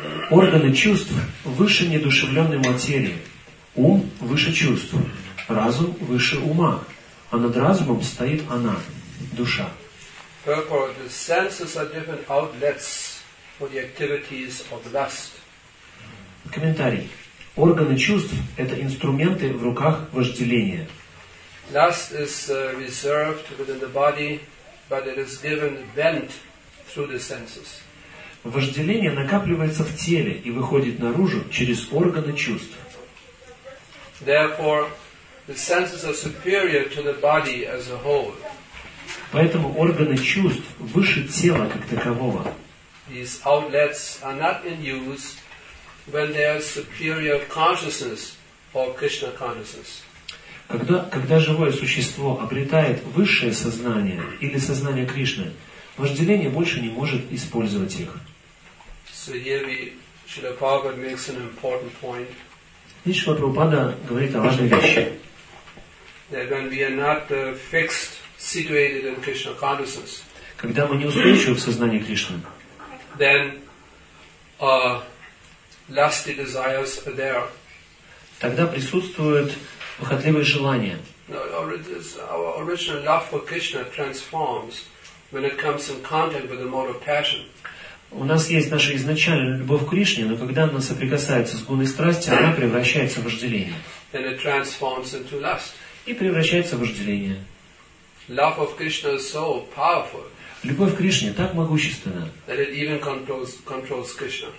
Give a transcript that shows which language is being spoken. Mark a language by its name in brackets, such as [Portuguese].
[Russian] Органы чувств выше неодушевленной материи. Ум выше чувств. Разум выше ума. А над разумом стоит она, душа. [English] Therefore, the senses are different outlets for the activities of lust. [Russian] Комментарий. Органы чувств – это инструменты в руках вожделения. [English] Lust is reserved within the body, but it is given vent through the senses. [Russian] Вожделение накапливается в теле и выходит наружу через органы чувств. [English] Therefore, the senses are superior to the body as a whole. [Russian] Поэтому органы чувств выше тела как такового. [English] These outlets are not in use when they are superior consciousness or Krishna consciousness. [Russian] Когда живое существо обретает высшее сознание или сознание Кришны, вожделение больше не может использовать их. [English] So here we, Srila Prabhupada makes an important point. [Russian] Srila Prabhupada говорит о важной вещи. [English] That when we are not fixed, situated in Krishna consciousness, [Russian] когда мы не устойчивы в сознании Кришны, [English] then lusty desires are there. [Russian] Тогда присутствуют похотливые желания. [English] Our original love for Krishna transforms when it comes in contact with the mode of passion. [Russian] У нас есть наша изначальная любовь к Кришне, но когда она соприкасается с гуной страсти, она превращается в вожделение. [English] And it transforms into lust. [Russian] И превращается в вожделение. [English] Love of Krishna is so powerful, [Russian] любовь к Кришне так могущественна, [English] that it even controls Krishna.